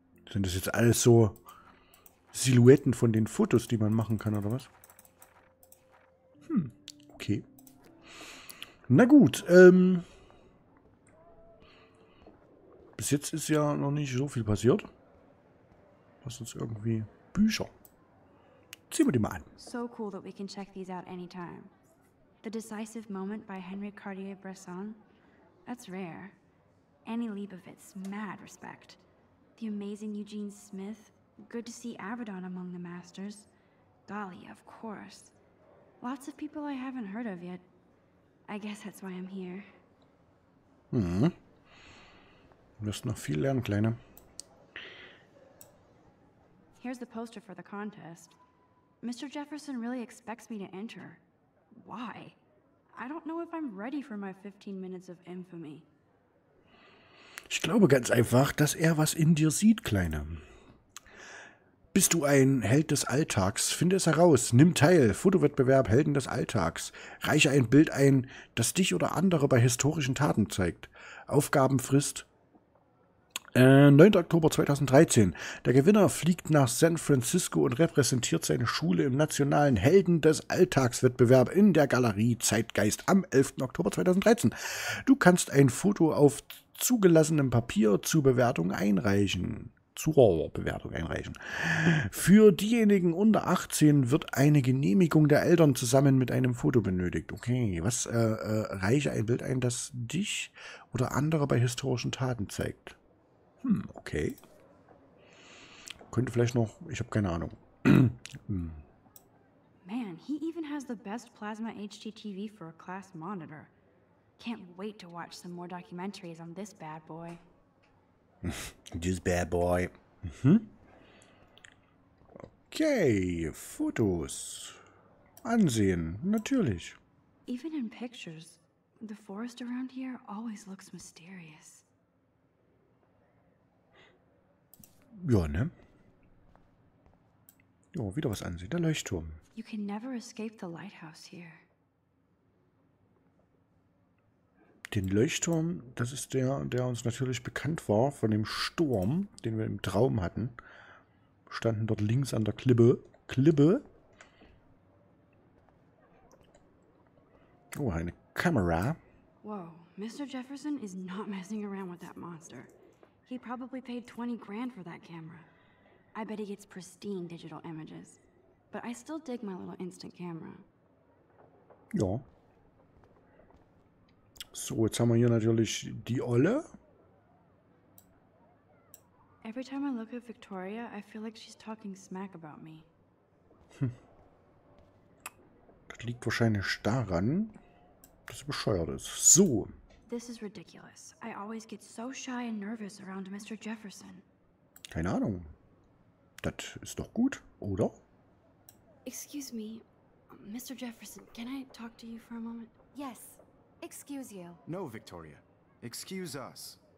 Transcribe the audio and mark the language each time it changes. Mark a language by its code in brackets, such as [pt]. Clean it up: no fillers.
[de] Sind das jetzt alles so... Silhouetten von den Fotos, die man machen kann, oder was? Hm, okay. Na gut, bis jetzt ist ja noch nicht so viel passiert. Lass uns irgendwie Bücher. Ziehen wir die mal an. [en] So cool, that we can check these out anytime. The Decisive Moment by Henri Cartier-Bresson. That's rare. Annie Leibovitz, mad respect. The amazing Eugene Smith. Good to see Abaddon among the masters. Golly, of course. Lots of people I haven't heard of yet. I guess that's why I'm here. Hm. [de] Du wirst noch viel lernen, Kleine. [en] Here's the poster for the contest. Mr. Jefferson really expects me to enter. Why? I don't know if I'm ready for my 15 minutes of infamy. [de] Ich glaube ganz einfach, dass er was in dir sieht, Kleine. Bist du ein Held des Alltags? Finde es heraus. Nimm teil. Fotowettbewerb Helden des Alltags. Reiche ein Bild ein, das dich oder andere bei historischen Taten zeigt. Aufgabenfrist 9. Oktober 2013. Der Gewinner fliegt nach San Francisco und repräsentiert seine Schule im nationalen Helden des Alltags-Wettbewerb in der Galerie Zeitgeist am 11. Oktober 2013. Du kannst ein Foto auf zugelassenem Papier zur Bewertung einreichen. Zuhörerbewertung einreichen. Für diejenigen unter 18 wird eine Genehmigung der Eltern zusammen mit einem Foto benötigt. Okay, was reiche ein Bild ein, das dich oder andere bei historischen Taten zeigt? Hm, okay. Könnte vielleicht noch, ich habe keine Ahnung. [en] Man, he even has the best plasma HDTV for a class monitor. Can't wait to watch some more documentaries on this bad boy. This bad boy. Mhm. Okay, Fotos. [de] Ansehen, natürlich. [en] Even in pictures, the forest around here always looks mysterious. [de] Ja, ne? Jo, wieder was ansehen, der Leuchtturm. [en] You can never escape the lighthouse here. [de] Den Leuchtturm, das ist der, der uns natürlich bekannt war von dem Sturm, den wir im Traum hatten. Wir standen dort links an der Klippe. Klippe. Oh, eine Kamera. [en] Wow, Mr. Jefferson is not messing around with that monster. He probably paid 20 grand for that camera. I bet he gets pristine digital images. But I still dig my little instant camera. [de] Ja. So, jetzt haben wir hier natürlich die Olle. [en] Every time I look at Victoria, I feel like she's talking smack about me. [de] Das liegt wahrscheinlich daran, dass sie bescheuert ist. So. [en] This is ridiculous. I always get so shy and nervous around Mr. Jefferson. [de] Keine Ahnung. Das ist doch gut, oder? [en] Excuse me, Mr. Jefferson, can I talk to you for a moment? Yes, excuse you. No, Victoria. Excuse us.